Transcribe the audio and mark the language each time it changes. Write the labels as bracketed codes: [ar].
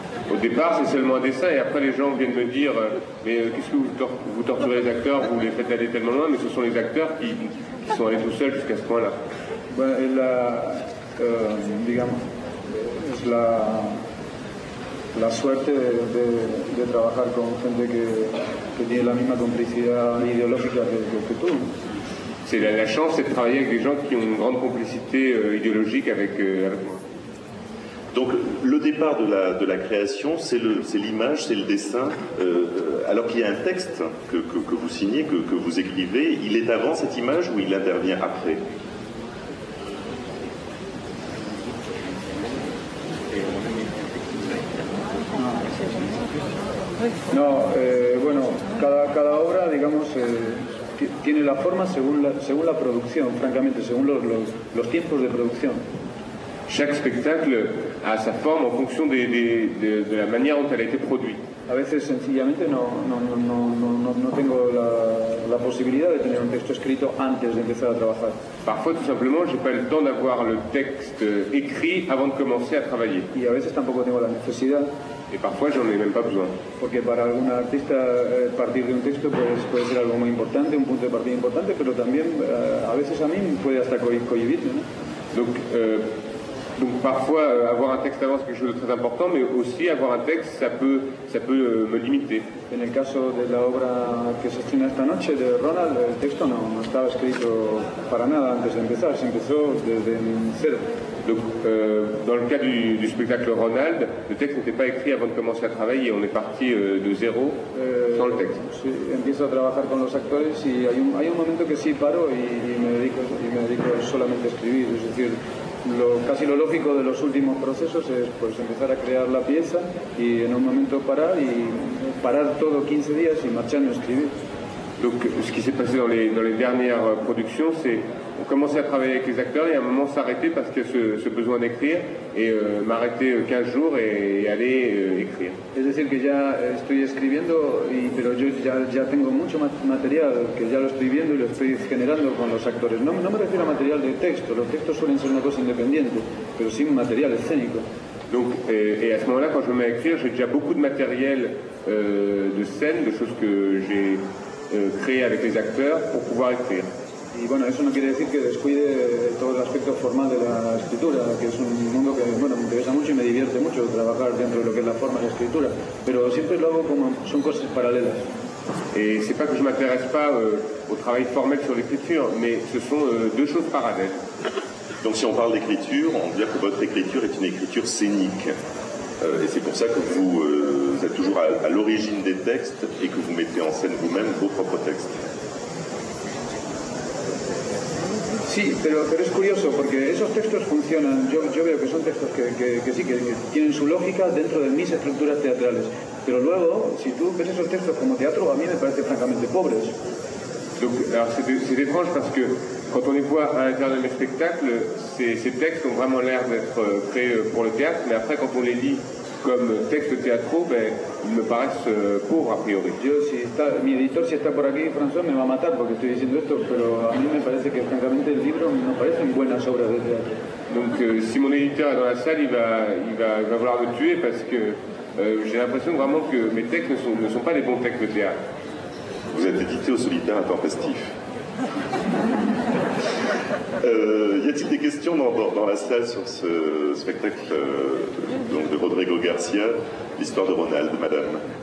[fr] Au départ, c'est seulement un dessin, et après les gens viennent me dire mais qu'est-ce que vous torturez les acteurs, vous les faites aller tellement loin, mais ce sont les acteurs qui sont allés tout seuls jusqu'à ce point-là. [es] Bueno, es la, digamos, es la, la suerte de trabajar con gente que tiene la misma complicidad ideológica que tú. [fr] C'est la chance, c'est de travailler avec des gens qui ont une grande complicité idéologique avec moi. Donc le départ de la création, c'est l'image, c'est le dessin, alors qu'il y a un texte que vous signez, que vous écrivez, il est avant cette image ou il intervient après? [es] Non, bueno, cada obra, digamos, tiene la forma según la producción, francamente, según los tiempos de producción. [fr] Chaque spectacle a sa forme en fonction de la manière dont elle a été produite. [es] A veces sencillamente no tengo la posibilidad de tener un texto escrito antes de empezar a trabajar. [fr] Parfois tout simplement j'ai pas le temps d'avoir le texte écrit avant de commencer à travailler. [es] Y a veces tampoco tengo la necesidad. [fr] Et parfois j'en ai même pas besoin. [es] Porque para algún artista partir de un texto puede ser algo muy importante, un punto de partida importante, pero también a veces a mí puede hasta cohibirme, ¿no? [fr] Donc parfois avoir un texte avant c'est quelque chose de très important, mais aussi avoir un texte ça peut me limiter. [es] En el caso de la obra que se estrena esta noche de Ronald, el texto no estaba escrito para nada antes de empezar, se empezó desde cero. [fr] Donc dans le cas du spectacle Ronald, le texte n'était pas écrit avant de commencer à travailler, on est parti de zéro sans le texte. [es] Sí, empiezo a trabajar con los actores y hay un momento que sí paro y me dedico solamente a escribir, es decir, casi lo lógico de los últimos procesos es pues empezar a crear la pieza y en un momento parar y parar todo 15 días y marcharme a escribir. [fr] Donc ce qui s'est passé dans les dernières productions, c'est on commençait à travailler avec les acteurs et à un moment s'arrêter parce qu'il y a ce besoin d'écrire et m'arrêter 15 jours et aller écrire. [es] Es decir que ya estoy escribiendo pero yo ya tengo mucho material que ya lo estoy viendo y lo estoy generando con los actores. No me refiero a material de texto, los textos suelen ser una cosa independiente, pero sí material escénico. [fr] Donc et à ce moment-là quand je me mets à écrire, j'ai déjà beaucoup de matériel de scène, de choses que j'ai créé avec les acteurs pour pouvoir écrire. [es] Y bueno, eso no quiere decir que descuide todo el aspecto formal de la escritura, que es un mundo que bueno, me interesa mucho y me divierte mucho trabajar dentro de lo que es la forma de la escritura, pero siempre lo hago como son cosas paralelas. [fr] Et c'est pas que je m'intéresse pas au travail formel sur l'écriture, mais ce sont deux choses parallèles. Donc si on parle d'écriture, on dit que votre écriture est une écriture scénique. Et c'est pour ça que vous êtes toujours à l'origine des textes et que vous mettez en scène vous-même vos propres textes. [es] Sí, pero es curioso porque esos textos funcionan. Yo veo que son textos que tienen su lógica dentro de mis estructuras teatrales. Pero luego, si tú ves esos textos como teatro, a mí me parece francamente pobres. [fr] Donc, alors c'est étrange parce que quand on les voit à l'intérieur de mes spectacles, ces textes ont vraiment l'air d'être faits pour le théâtre, mais après, quand on les lit comme textes théâtraux, ben, ils me paraissent pauvres, a priori. [es] Yo, si está, mi editor, si está por aquí, François, me va a matar porque estoy diciendo esto, pero a mí me parece que, francamente, el libro no parece una buena obra de théâtre. [fr] Donc, si mon éditeur est dans la salle, il va vouloir me tuer parce que j'ai l'impression vraiment que mes textes ne sont pas des bons textes de théâtre. Vous êtes édité au Solitaire à temps festif. Y a-t-il des questions dans la salle sur ce spectacle donc de Rodrigo Garcia, l'histoire de Ronald, madame?